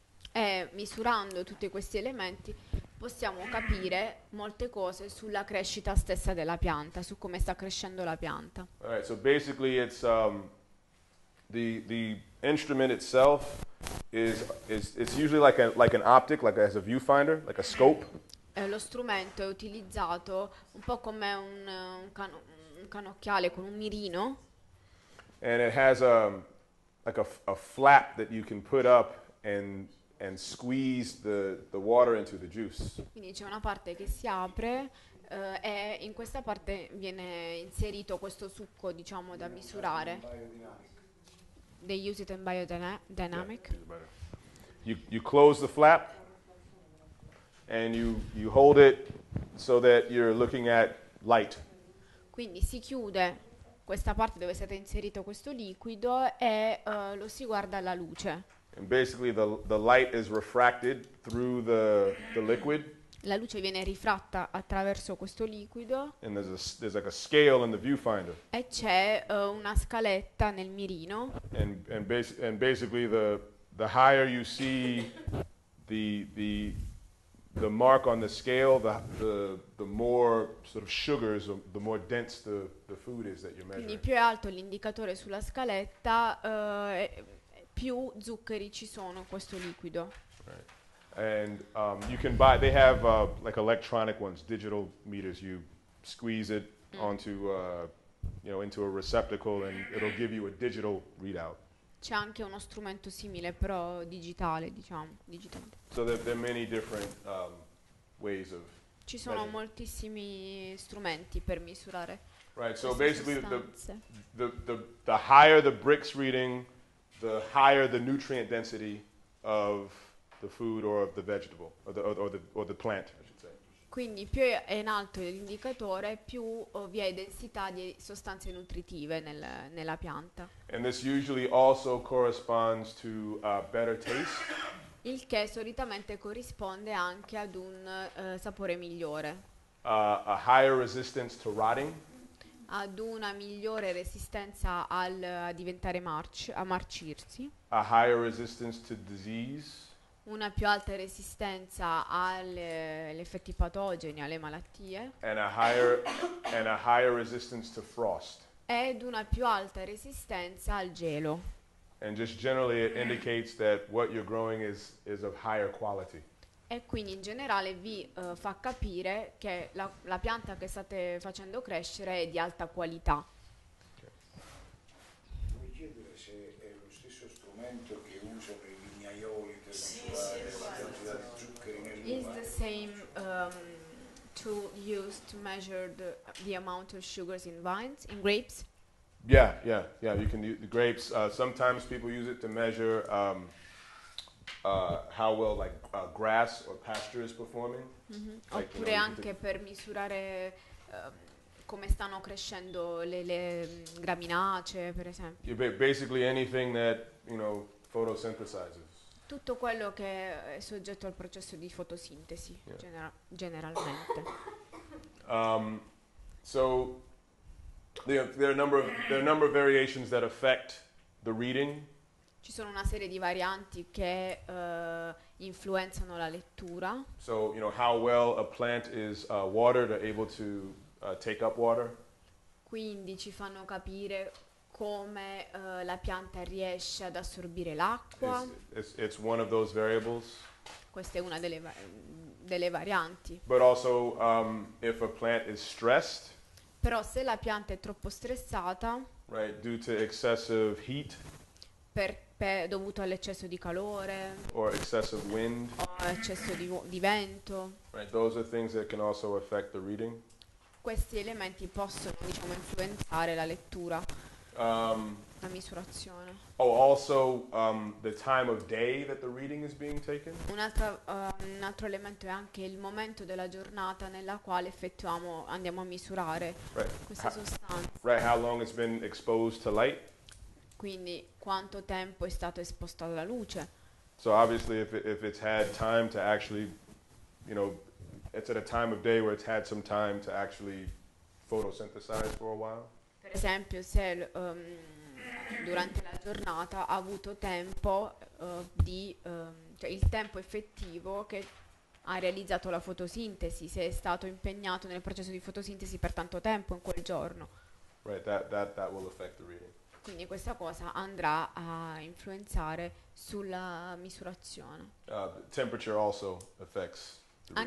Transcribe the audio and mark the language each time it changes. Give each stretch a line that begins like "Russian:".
Italian: E misurando tutti questi elementi possiamo capire molte cose sulla crescita stessa della pianta, su come sta crescendo la pianta.
English: All right, so basically it's the instrument itself is usually like an optic, like as a viewfinder, like a scope.
Italian: Lo strumento è utilizzato un po' come un cannocchiale con un mirino.
English: And it has a flap that you can put up and squeeze the water into the juice.
Italian: Quindi c'è una parte che si apre e in questa parte viene inserito questo succo, diciamo, da misurare.
English: They use it in biodynamic. You close the flap and you hold it so that you're looking at light.
Italian: Quindi si chiude questa parte dove è stato inserito questo liquido e lo si guarda alla luce.
English: And basically the light is refracted through the liquid.
Italian: La luce viene rifratta attraverso questo liquido.
English: And there's like a scale in the viewfinder.
Italian: E c'è una scaletta nel mirino.
English: And basically the higher you see the mark on the scale, the more sort of sugars, the more dense the food is that you're measuring.
Italian: Quindi più è alto l'indicatore sulla scaletta, più zuccheri ci sono in questo liquido.
English: Right. And you can buy, they have like electronic ones, digital meters. You squeeze it onto, you know, into a receptacle and it'll give you a digital readout.
Italian: C'è anche uno strumento simile, però digitale, diciamo, digitale.
English: So there are many different ways of...
Italian: Ci sono moltissimi strumenti per misurare.
English: Right, so basically the higher the bricks reading, the higher the nutrient density of the food or of the vegetable or the plant, I should say.
Italian: Quindi più è in alto l'indicatore, più vi è densità di sostanze nutritive nella pianta.
English: And this usually also corresponds to better taste.
Italian: Il che solitamente corrisponde anche ad un sapore migliore.
English: A higher resistance to rotting.
Italian: Ad una migliore resistenza al a diventare a marcirsi.
English: A higher resistance to disease.
Italian: Una più alta resistenza agli effetti patogeni, alle malattie.
English: And a higher and a higher resistance to frost.
Italian: Ed una più alta resistenza al gelo.
English: And just generally it indicates that what you're growing is of higher quality. E quindi in generale vi fa capire che la pianta che state facendo crescere è di alta qualità. Okay.
Italian: Mi chiedere se è lo stesso strumento che usa per i vignaioli per misurare la quantità di zuccheri nel vino.
English: Is the same tool used to measure the amount of sugars in vines, in grapes? Yeah. You can use the grapes. Sometimes people use it to measure. How well like grass or pasture is performing. Mm-hmm. Like,
Italian: oppure,
English: you know,
Italian: anche per misurare come stanno crescendo le graminacee, per esempio.
English: Basically anything that, you know, photosynthesizes.
Italian: Tutto quello che è soggetto al processo di fotosintesi, generalmente.
English: So there are a number of variations that affect the reading.
Italian: Ci sono una serie di varianti che influenzano la lettura.
English: So, you know, how well a plant is watered or able to take up water.
Italian: Quindi ci fanno capire come la pianta riesce ad assorbire l'acqua.
English: It's one of those variables.
Italian: Questa è una delle varianti.
English: But also if a plant is stressed.
Italian: Però se la pianta è troppo stressata.
English: Right, due to excessive heat.
Italian: Dovuto all'eccesso di calore.
English: Or excessive wind.
Italian: O eccesso di vento.
English: Right, those are things that can also affect the reading.
Italian: Questi elementi possono, diciamo, influenzare la lettura. La misurazione.
English: Oh, also the time of day that the reading is being taken.
Italian: Un altro elemento è anche il momento della giornata nella quale andiamo a misurare questa sostanza.
English: Right, how long it's been exposed to light.
Italian: Quindi quanto tempo è stato esposto alla luce.
English: So obviously if it's had time to actually, you know, it's at a time of day where it's had some time to actually photosynthesize for a while.
Italian: Per esempio, se durante la giornata ha avuto tempo il tempo effettivo che ha realizzato la fotosintesi, se è stato impegnato nel processo di fotosintesi per tanto tempo in quel giorno.
English: Right, that will affect the reading.
Italian: Quindi questa cosa andrà a influenzare sulla misurazione.
English: Temperature also affects the reading.